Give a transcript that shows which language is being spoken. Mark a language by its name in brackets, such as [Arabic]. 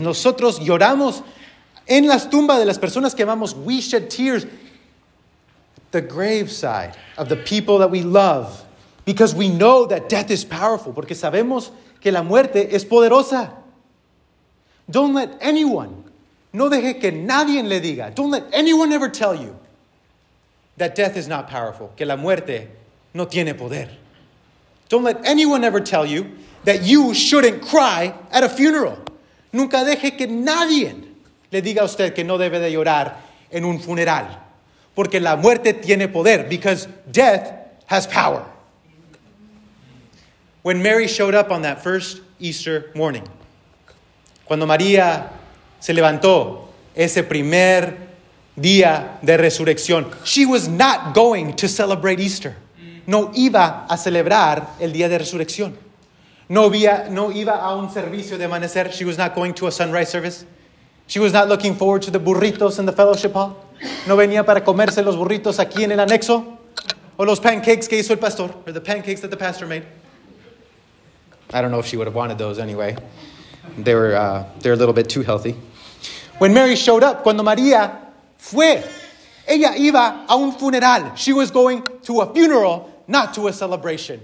[Spanish] Nosotros lloramos en las tumbas de las personas que amamos. [English] We shed tears. The graveside of the people that we love. Because we know that death is powerful. [Spanish] Porque sabemos que la muerte es poderosa. [English] Don't let anyone, [Spanish] no deje que nadie le diga, [English] don't let anyone ever tell you that death is not powerful, [Spanish] que la muerte no tiene poder. [English] Don't let anyone ever tell you that you shouldn't cry at a funeral. [Spanish] Nunca deje que nadie le diga a usted que no debe de llorar en un funeral, porque la muerte tiene poder, [English] because death has power. When Mary showed up on that first Easter morning, [Spanish] cuando María se levantó ese primer día de resurrección, [English] she was not going to celebrate Easter. [Spanish] No iba a celebrar el día de resurrección. No iba a un servicio de amanecer. [English] She was not going to a sunrise service. She was not looking forward to the burritos in the fellowship hall. [Spanish] No venía para comerse los burritos aquí en el anexo. O los pancakes que hizo el pastor. [English] Or the pancakes that the pastor made. I don't know if she would have wanted those anyway. They're a little bit too healthy. When Mary showed up, [Spanish] cuando María fue, ella iba a un funeral. [English] She was going to a funeral, not to a celebration.